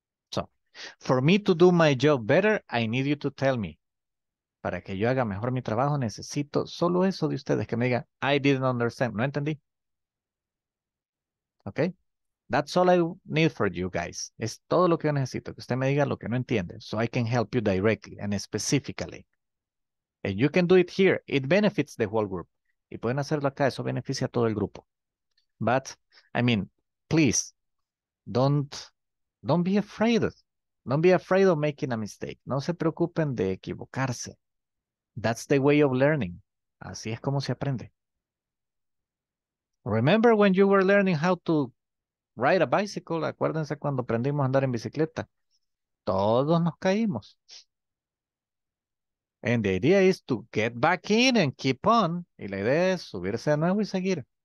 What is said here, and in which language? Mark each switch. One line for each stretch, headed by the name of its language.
English: So, for me to do my job better, I need you to tell me.
Spanish: Para que yo haga mejor mi trabajo, necesito solo eso de ustedes, que me diga,
English: I didn't understand,
Spanish: no entendí.
English: Okay? That's all I need for you guys.
Spanish: Es todo lo que yo necesito, que usted me diga lo que no entiende.
English: So I can help you directly and specifically. And you can do it here. It benefits the whole group.
Spanish: Y pueden hacerlo acá. Eso beneficia a todo el grupo.
English: But, I mean, please, don't be afraid. Don't be afraid of making a mistake.
Spanish: No se preocupen de equivocarse.
English: That's the way of learning.
Spanish: Así es como se aprende.
English: Remember when you were learning how to ride a bicycle?
Spanish: Acuérdense cuando aprendimos a andar en bicicleta. Todos nos caímos.
English: And the idea is to get back in and keep on.
Spanish: Y la idea es subirse de nuevo y seguir.